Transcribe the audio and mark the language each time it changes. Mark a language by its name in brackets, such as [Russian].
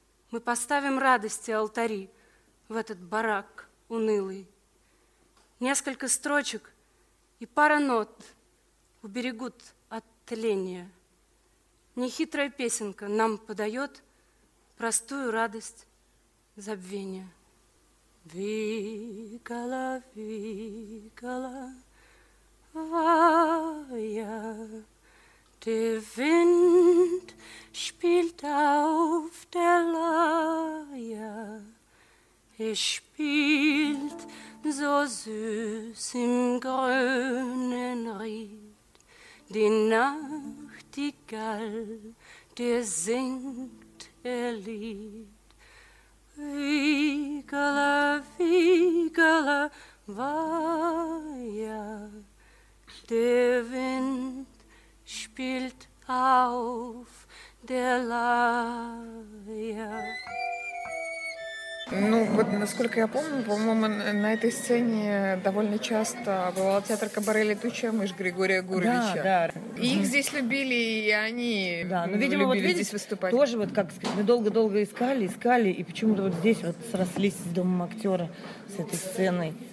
[Russian] Мы поставим радости алтари в этот барак унылый. Несколько строчек и пара нот уберегут от тления. Нехитрая песенка нам подает простую радость забвения. [German] Викала, викала, вая, der Wind spielt auf der Leier, er spielt so süß im grünen Ried, die Nachtigall, der singt ihr Lied. Wiegala, wiegala, vaja, der Wind spielt auf der Leier. [Russian] Ну, вот, насколько я помню, по-моему, на этой сцене довольно часто бывал театр «Кабаре Летучая мышь» Григория Гуровича. Да, да. И их здесь любили, и они любили здесь выступать. Тоже, вот как сказать, мы долго-долго искали, и почему-то вот здесь вот срослись с Домом актера, с этой сценой.